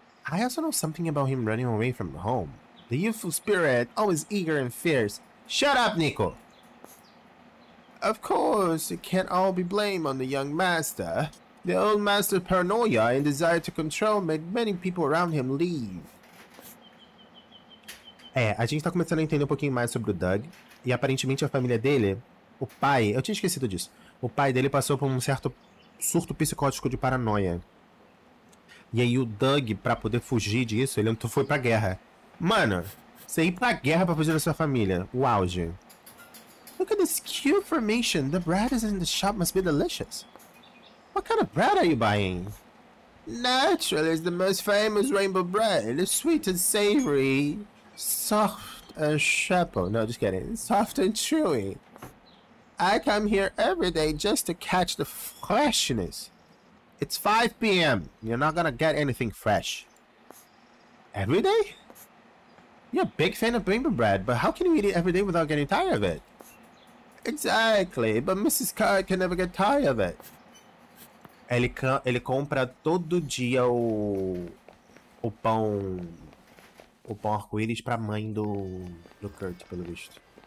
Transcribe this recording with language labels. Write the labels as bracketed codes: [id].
[en] I also know something about him running away from home. The youthful spirit, always eager and fierce. Shut up, Nico! Of course, it can't all be blamed on the young master. The old master's paranoia and desire to control made many people around him leave. [pt] É, a gente tá começando a entender um pouquinho mais sobre o Doug. E aparentemente a família dele, o pai, eu tinha esquecido disso. O pai dele passou por um certo surto psicótico de paranoia. E aí o Doug, pra poder fugir disso, ele foi pra guerra. Mano, você ir pra guerra pra fugir da sua família. O auge. [en] Look at this cute formation. The bread is in the shop must be delicious. What kind of bread are you buying? Naturally, it's the most famous rainbow bread. It's sweet and savory. Soft and shapo. No, just kidding. Soft and chewy. I come here every day just to catch the freshness. It's 5 p.m. You're not gonna get anything fresh. Every day? You're a big fan of rainbow bread, but how can you eat it every day without getting tired of it? Exactly, but Mrs. Card can never get tired of it. [pt] Ele compra todo dia o pão arco-íris pra mãe do Kurt, pelo visto.